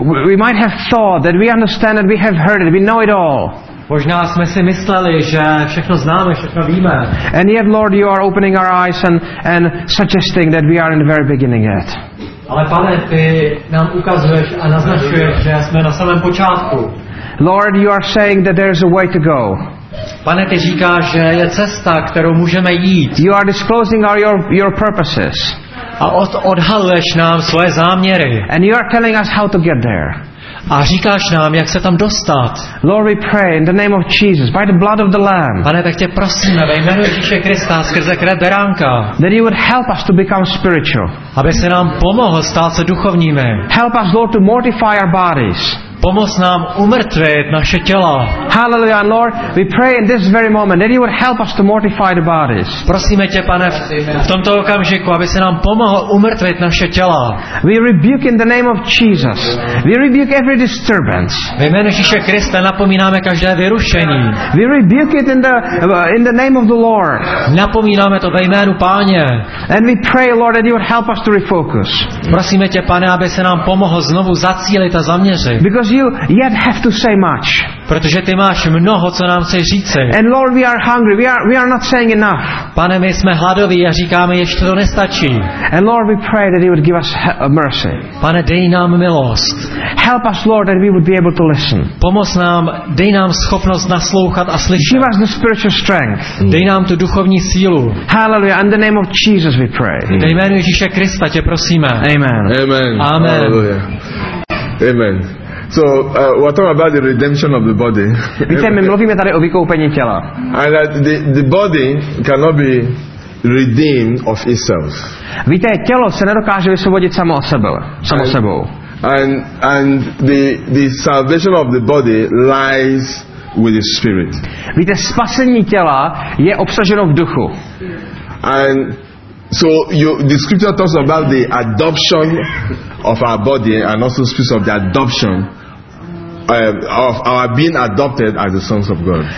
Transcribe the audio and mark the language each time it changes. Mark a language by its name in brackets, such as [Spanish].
[English] We might have thought that we understand it, we have heard it, we know it all. [Czech] Možná jsme si mysleli, že všechno známe, všechno víme. [English] And yet, Lord, you are opening our eyes and suggesting that we are in the very beginning yet. [Czech] Ale Pane, ty nám ukazuješ a naznačuješ, že jsme na samém počátku. [English] Lord, you are saying that there is a way to go. [Czech] Pane, ty říkáš, že je cesta, kterou můžeme jít. [English] You are disclosing your purposes. [Czech] A odhaluješ nám svoje záměry. [English] And you are telling us how to get there. [Czech] A říkáš nám, jak se tam dostat. [English] Lord, we pray in the name of Jesus, by the blood of the Lamb. [Czech] Pane, tak tě prosíme, ve jménu Ježíše Krista, skrze krev beránka. [English] That you would help us to become spiritual. [Czech] Aby se nám pomohl stát se duchovními. [English] Help us, Lord, to mortify our bodies. [Czech] Pomoz nám umrtvit naše těla. [English] Hallelujah, Lord, we pray in this very moment that you would help us to mortify the bodies. [Czech] Prosíme tě, Pane, v tomto okamžiku, aby se nám pomohl umrtvit naše těla. [English] We rebuke in the name of Jesus. We rebuke every disturbance. [Czech] Ve jménu Ježíše Krista napomínáme každé vyrušení. [English] We rebuke it in the name of the Lord. [Czech] Napomínáme to ve jménu Páně. [English] And we pray, Lord, that you would help us to refocus. [Czech] Prosíme tě, Pane, aby se nám pomohl znovu zacílit a zaměřit. [English] Because you yet have to say much. [Czech] Protože ty máš mnoho, co nám chceš říci. [English] And Lord, we are hungry. We are not saying enough. [Czech] Pane, my jsme hladoví a říkáme, ještě to nestačí. [English] And Lord, we pray that you would give us mercy. [Czech] Pane, dej nám milost. [English] Help us, Lord, that we would be able to listen. [Czech] Pomoz nám, dej nám schopnost naslouchat a slyšet. [English] Give us the spiritual strength. [Czech] Dej nám tu duchovní sílu. [English] Hallelujah. In the name of Jesus, we pray. [Czech] Ve jménu Ježíše Krista tě prosíme. [English] Amen. Amen. Amen. Amen. So, we're talking about the redemption of the body. [Czech] Víte, my mluvíme tady o vykoupení těla. [English] And that the body cannot be redeemed of itself. [Czech] Víte, tělo se nedokáže vysvobodit samo o sebe, samo sebou. [English] And the salvation of the body lies with the spirit. [Czech] Víte, spasení těla je obsaženo v duchu. [English] And so the scripture talks about the adoption of our body and also speaks of the adoption of our being adopted as the sons of God.